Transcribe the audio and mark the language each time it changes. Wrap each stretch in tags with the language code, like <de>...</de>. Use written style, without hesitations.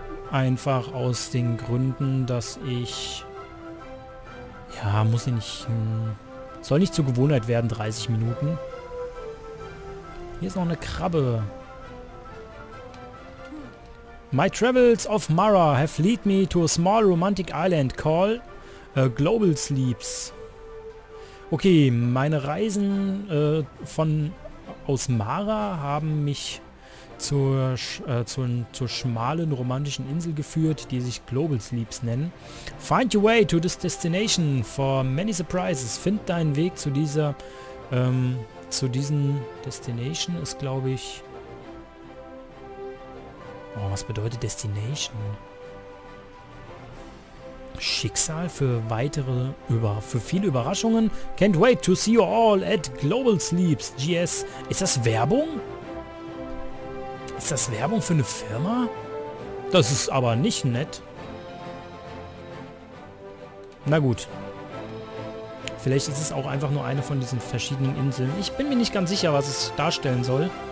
<de>Einfach aus den Gründen, dass ich... Ja, muss ich nicht... Soll nicht zur Gewohnheit werden, 30 Minuten. Hier ist noch eine Krabbe.</de> <en>My travels of Mara have led me to a small romantic island called Global Sleeps.</en> <de>Okay, meine Reisen aus Mara haben mich zur schmalen romantischen Insel geführt, die sich Global Sleeps nennen.</de> <en>Find your way to this destination for many surprises.</en> <de>Find deinen Weg zu dieser zu diesen Destination ist, glaube ich. Oh, was bedeutet Destination? Schicksal für weitere für viele Überraschungen.</de> <en>Can't wait to see you all at Global Sleeps.</en> <de>GS. Ist das Werbung? Ist das Werbung für eine Firma? Das ist aber nicht nett. Na gut. Vielleicht ist es auch einfach nur eine von diesen verschiedenen Inseln. Ich bin mir nicht ganz sicher, was es darstellen soll.</de>